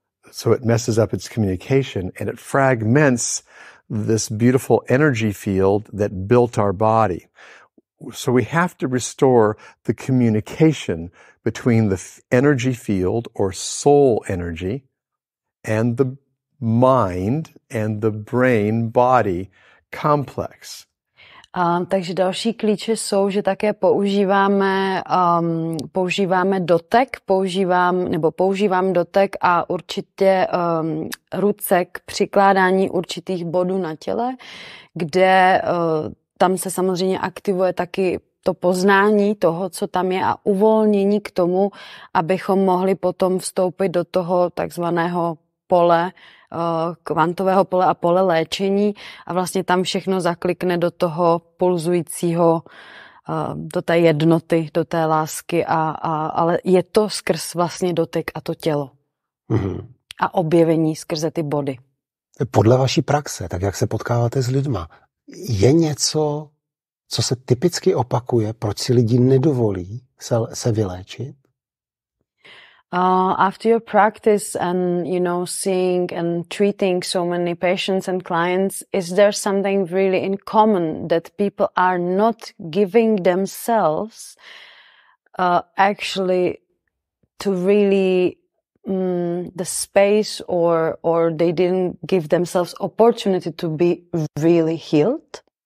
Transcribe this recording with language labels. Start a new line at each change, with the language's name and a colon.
English: so it messes up its communication, and it fragments this beautiful energy field that built our body. So we have to restore the communication between the energy field or soul energy and the mind and the brain body complex.
Czech: Takže další klíče jsou, že také používáme dotek, používám dotek a určitě ruce k přikládání určitých bodů na těle, kde tam se samozřejmě aktivuje taky to poznání toho, co tam je, a uvolnění k tomu, abychom mohli potom vstoupit do toho takzvaného pole, kvantového pole a pole léčení, a vlastně tam všechno zaklikne do toho pulzujícího, do té jednoty, do té lásky, ale je to skrz vlastně dotyk a to tělo. Mm-hmm. A objevení skrze ty body. Podle vaší praxe, tak jak se potkáváte s lidma, je něco, co se typicky opakuje, proč si lidi nedovolí se vyléčit?
English: After your practice and, you know, seeing and treating so many patients and clients, is there something really in common that people are not giving themselves actually to really the space or they didn't give themselves opportunity to be really healed?